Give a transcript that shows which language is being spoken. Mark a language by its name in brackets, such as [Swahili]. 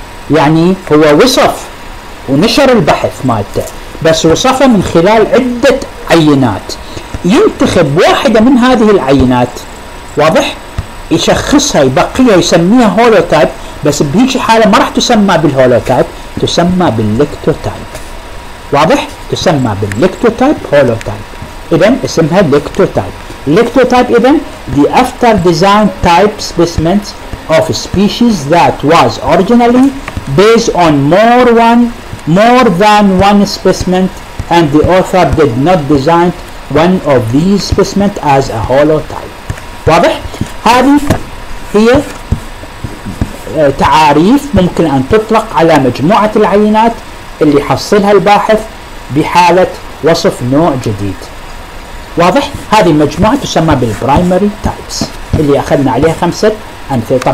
[Arabic] يعني هو وصف ونشر البحث مالته بس وصفه من خلال عدة عينات, ينتخب واحدة من هذه العينات, واضح, يشخصها يبقيها يسميها هولوتايب, بس بهيك حالة ما راح تسمى بالهولوتايب, تسمى باللكتوتايب. واضح, تسمى باللكتوتايب هولوتايب, إذن اسمها لكتوتايب. لكتوتايب إذن [English] the after design type specimen of a species that was originally based on more than one specimen and the author did not design one of these specimen as a holotype. [Arabic] واضح, هذه هي تعاريف ممكن أن تطلق على مجموعة العينات اللي حصلها الباحث بحالة وصف نوع جديد. واضح, هذه المجموعة تسمى بالبرايمري تايبس اللي أخذنا عليها خمسة أمثلة.